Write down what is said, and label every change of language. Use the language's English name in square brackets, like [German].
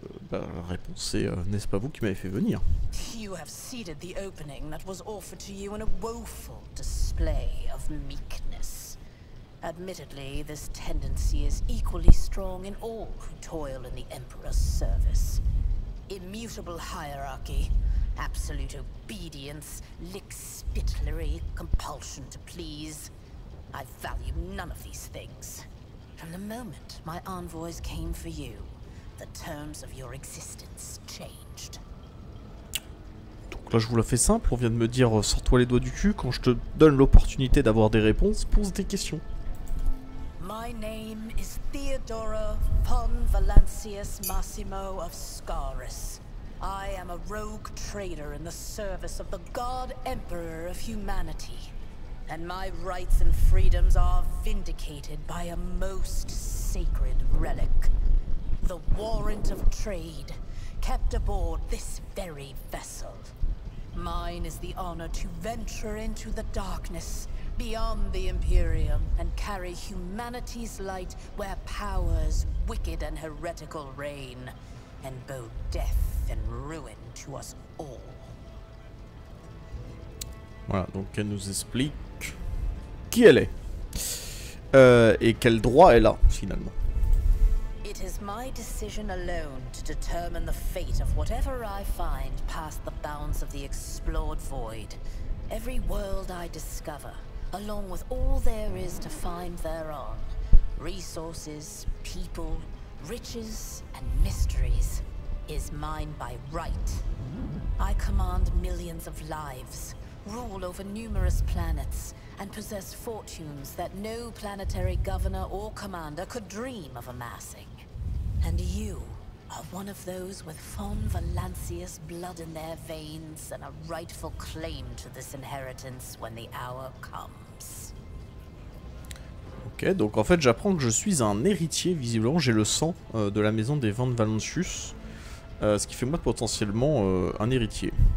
[French] La réponse c'est n'est-ce pas vous qui m'avez fait venir? [English] You have ceded the opening that was offered to you in a woeful display of meekness. Admittedly, this tendency is equally strong in all who toil in the Emperor's service. Immutable hierarchy, absolute obedience, lick-spittlery compulsion to please. I value none of these things. From the moment my envoys came for you, the terms of your existence changed. [French] Donc là, je vous la fais simple, on vient de me dire « sors-toi les doigts du cul » quand je te donne l'opportunité d'avoir des réponses, pose des questions. [English] My name is Theodora von Valencius Massimo of Scaris. I am a rogue trader in the service of the God Emperor of Humanity. And my rights and freedoms are vindicated by a most sacred relic. The Warrant of Trade, kept aboard this very vessel. Mine is the honor to venture into the darkness. Beyond the Imperium, and carry humanity's light where powers wicked and heretical reign, and bode death and ruin to us all. [French] Voilà, donc elle nous explique qui elle est, et quel droit elle a, finalement. [English] It is my decision alone to determine the fate of whatever I find past the bounds of the explored void. Every world I discover, along with all there is to find thereon. Resources, people, riches, and mysteries is mine by right. I command millions of lives, rule over numerous planets, and possess fortunes that no planetary governor or commander could dream of amassing. And you are one of those with von Valencius blood in their veins and a rightful claim to this inheritance when the hour comes. [French] Ok, donc en fait j'apprends que je suis un héritier, visiblement j'ai le sang de la maison des von Valencius, ce qui fait moi potentiellement un héritier.